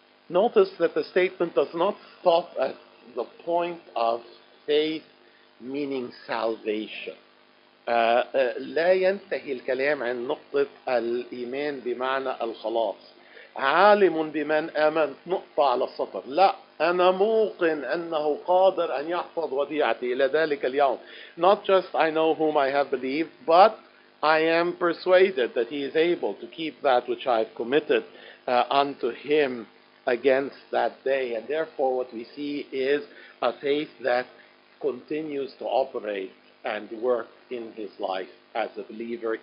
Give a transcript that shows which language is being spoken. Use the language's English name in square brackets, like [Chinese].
[English] Notice that the statement does not stop at the point of faith meaning salvation. [Arabic] لا ينتهي الكلام عن نقطة الإيمان بمعنى الخلاص. عالم بمن آمنت نقطة على السطر، لا أنا موقن أنه قادر أن يحفظ وديعتي إلى ذلك اليوم. [English] Not just I know whom I have believed, but I am persuaded that he is able to keep that which I have committed unto him against that day. And therefore what we see is a faith that continues to operate and work in his life as a believer.